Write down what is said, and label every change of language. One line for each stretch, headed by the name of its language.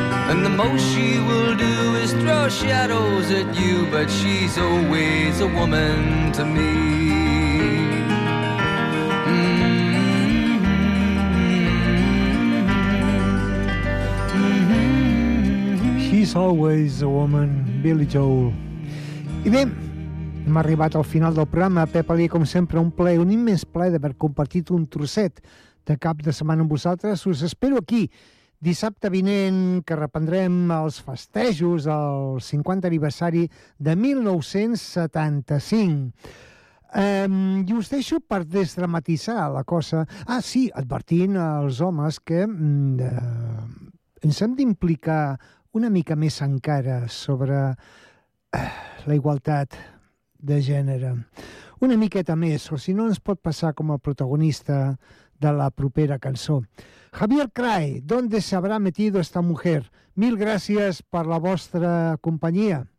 English: And the most she will do is throw shadows at you, but she's always a woman to me. She's always a woman, Billy Joel.
Catalan: I bé, hem arribat al final del programa. Pep Alí, com sempre, un plaer, un immens plaer d'haver compartit un trosset de cap de setmana amb vosaltres. Us espero aquí dissabte vinent, que reprendrem els festejos del 50 aniversari de 1975. I us deixo per desdramatitzar la cosa. Ah, sí, advertint als homes que ens hem d'implicar una mica més encara sobre la igualtat de gènere. Una miqueta més, o si no, ens pot passar com el protagonista de la propera cançó.
Spanish: Javier Crae, ¿dónde se habrá metido esta mujer?
Catalan: Mil gràcies per la vostra companyia.